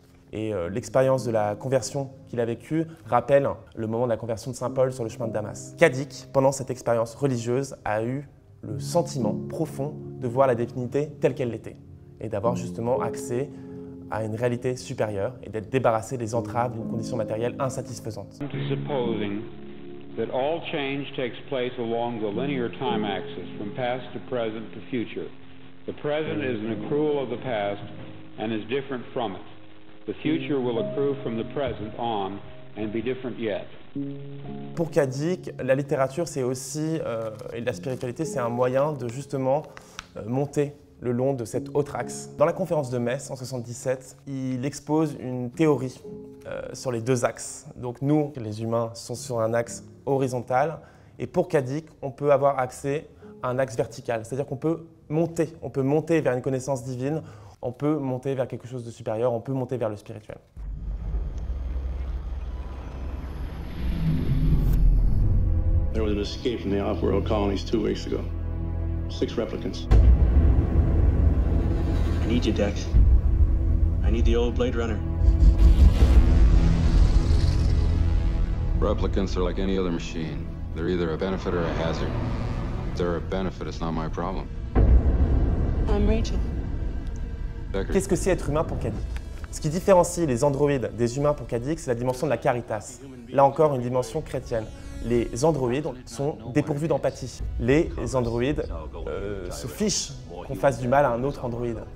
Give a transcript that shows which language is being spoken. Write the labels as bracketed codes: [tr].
[fr] Et l'expérience de la conversion qu'il a vécue rappelle le moment de la conversion de saint Paul sur le chemin de Damas. Kadik, pendant cette expérience religieuse, a eu le sentiment profond de voir la divinité telle qu'elle l'était et d'avoir justement accès à une réalité supérieure et d'être débarrassé des entraves d'une condition matérielle insatisfaisante. [en] Supposing that all change takes place along the linear time axis from past to present to future. The present is an accrual of the past and is different from it. The future will accrue from the present on and be different yet. [fr] Pour Kadik, la littérature, c'est aussi, et la spiritualité, c'est un moyen de justement monter le long de cet autre axe. Dans la conférence de Metz, en 77, il expose une théorie sur les deux axes. Donc nous, les humains, sont sur un axe horizontal. Et pour Kadik, on peut avoir accès à un axe vertical. C'est-à-dire qu'on peut monter, vers une connaissance divine. On peut monter vers quelque chose de supérieur, on peut monter vers le spirituel. [en] There was an escape from the off-world colonies 2 weeks ago. 6 replicants. I need you, Dex. I need the old Blade Runner. Replicants are like any other machine. They're either a benefit or a hazard. If they're a benefit, it's not my problem. I'm Rachel. [fr] Qu'est-ce que c'est être humain pour Kadik? Ce qui différencie les androïdes des humains pour Kadik, c'est la dimension de la caritas. Là encore, une dimension chrétienne. Les androïdes sont dépourvus d'empathie. Les androïdes se fichent qu'on fasse du mal à un autre androïde.